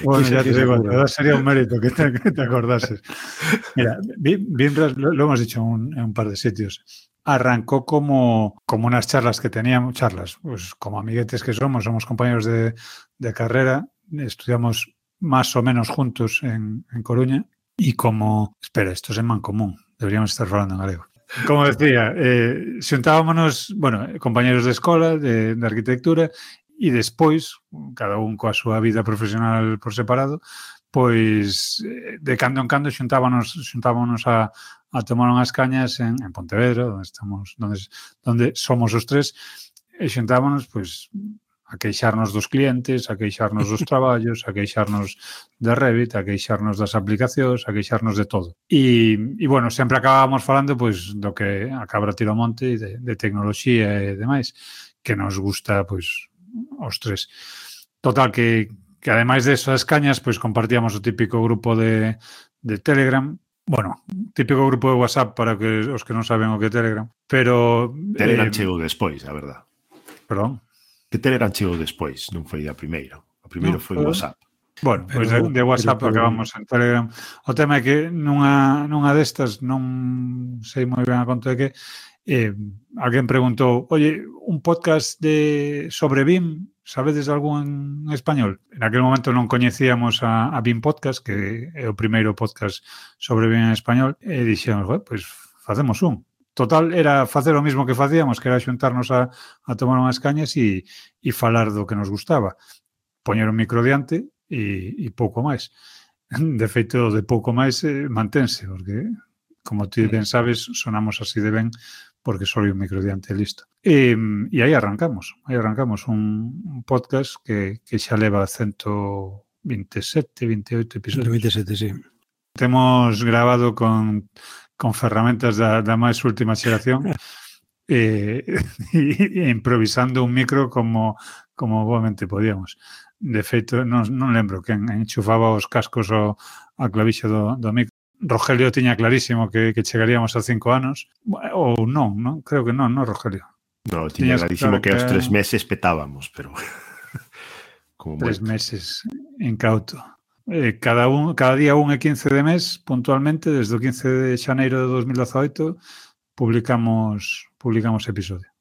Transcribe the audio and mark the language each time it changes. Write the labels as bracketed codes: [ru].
[es] Bueno, ya te digo, la edad sería un mérito que te acordases. Mira, BIMrras, lo hemos dicho en un par de sitios. Arrancó como unas charlas que teníamos, charlas, pues como amiguetes que somos compañeros de carrera, estudiamos más o menos juntos en Coruña y como... Espera, esto es en Mancomún, deberíamos estar hablando en galego. [gl] Como decía, xuntábamonos, bueno, compañeros de escola, de arquitectura y después, cada un coa súa vida profesional por separado, pues de cando en cando xuntábamonos a tomar unhas cañas en Pontevedra, donde somos os tres, e xuntábamonos, pues... a queixarnos dos clientes, a queixarnos dos traballos, a queixarnos de Revit, a queixarnos das aplicacións, a queixarnos de todo. E bueno, sempre acabábamos falando pues, do que a cabra tira o monte de tecnoloxía e demais, que nos gusta pues, os tres. Total, que ademais de esas cañas, pues, compartíamos o típico grupo de Telegram. Bueno, típico grupo de WhatsApp para que, os que non saben o que é Telegram. Pero Telegram chegou despois, a verdade. Perdón. Que Telegram chegou despois, non foi a primeira. A primeira foi o WhatsApp. Bueno, pois de WhatsApp acabamos en Telegram. O tema é que nunha destas, non sei moi ben a conto de que, alguén preguntou, oye, un podcast sobre BIM, sabedes algún en español? En aquel momento non coñecíamos a BIM Podcast, que é o primeiro podcast sobre BIM en español, e dixemos, pues, facemos un. Total, era facer o mismo que facíamos, que era xuntarnos a tomar unhas cañas e falar do que nos gustaba. Poñer un micro diante e pouco máis. De feito, de pouco máis, manténse, porque, como ti ben sabes, sonamos así de ben, porque só hai un micro diante e listo. E aí arrancamos un podcast que xa leva 127, 28 episodios. 127, sí. Temos gravado con ferramentas da máis última xeración e improvisando un micro como obviamente podíamos. De feito, non lembro que enchufaba os cascos a clavixa do micro. Rogelio tiña clarísimo que chegaríamos a 5 anos. Ou non, non? Creo que non, Rogelio? No, tiña clarísimo que aos 3 meses petábamos, pero... como 3 meses, incauto. Cada día 1 e 15 de mes, puntualmente, desde o 15 de xaneiro de 2018, publicamos episodio.